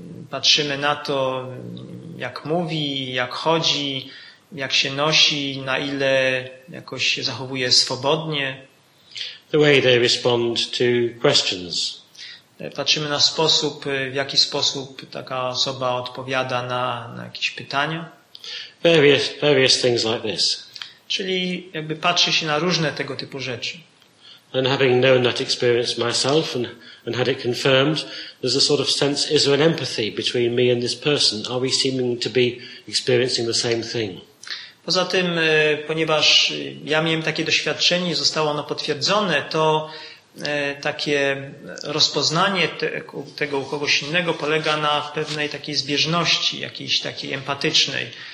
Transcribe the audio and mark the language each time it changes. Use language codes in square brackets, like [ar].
[pl] Patrzymy na to, jak mówi, jak chodzi, jak się nosi, na ile jakoś się zachowuje swobodnie. [en] The way they respond to questions. [pl] Patrzymy na sposób, w jaki sposób taka osoba odpowiada na jakieś pytania. [en] Various things like this. [pl] Czyli jakby patrzy się na różne tego typu rzeczy. [en] And having known that experience myself and had it confirmed, there's a sort of sense, is there an empathy between me and this person? Are we seeming to be experiencing the same thing? [pl] Poza tym, ponieważ ja miałem takie doświadczenie i zostało ono potwierdzone, to takie rozpoznanie tego u kogoś innego polega na pewnej takiej zbieżności, jakiejś takiej empatycznej.